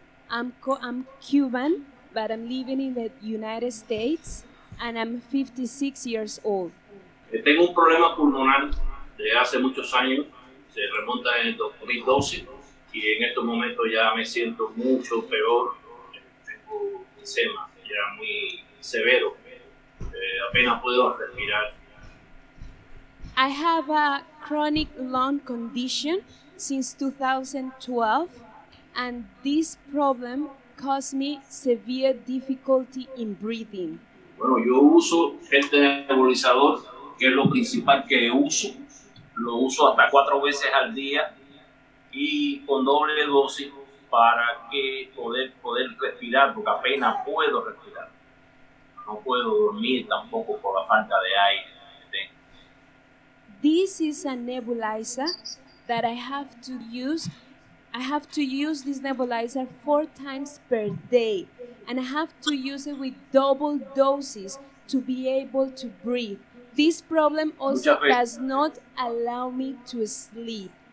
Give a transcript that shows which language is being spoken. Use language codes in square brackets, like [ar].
[en] I'm Cuban, but I'm living in the United States, and I'm 56 years old. [es] Tengo un problema pulmonar. Desde hace muchos años, se remonta en el 2012, y en estos momentos ya me siento mucho peor. Tengo enfisema, ya muy severo. Apenas puedo respirar. [en] I have a chronic lung condition since 2012, and this problem caused me severe difficulty in breathing. [es] Bueno, yo uso el nebulizador, que es lo principal que uso. Lo uso hasta cuatro veces al día y con doble dosis para que poder respirar, porque apenas puedo respirar. No puedo dormir tampoco por la falta de aire. [en] This is a nebulizer that I have to use. I have to use this nebulizer four times per day, and I have to use it with double doses to be able to breathe. This problem also does not allow me to sleep.